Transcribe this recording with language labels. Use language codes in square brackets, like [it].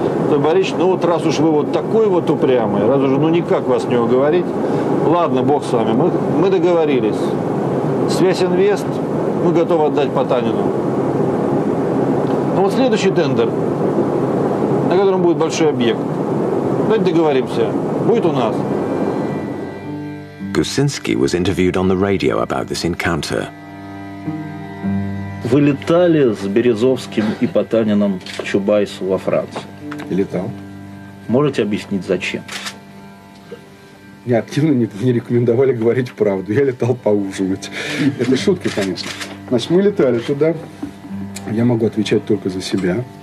[ru] Той Борисович, ну вот раз уж вы вот такой вот упрямый, раз уж, ну никак вас не уговорить, ладно, бог с вами, мы договорились. Связь Инвест мы готовы отдать Потанину. Но вот следующий тендер, на котором будет большой объект, давайте договоримся, будет у нас. [en] Гусинский was interviewed on the radio about this encounter. [ru] Вы летали с Березовским и Потанином к Чубайсу во Францию? Летал. Можете объяснить, зачем? Мне активно не рекомендовали говорить правду. Я летал поужинать. Это шутки, конечно. Значит, мы летали туда. Я могу отвечать только за себя.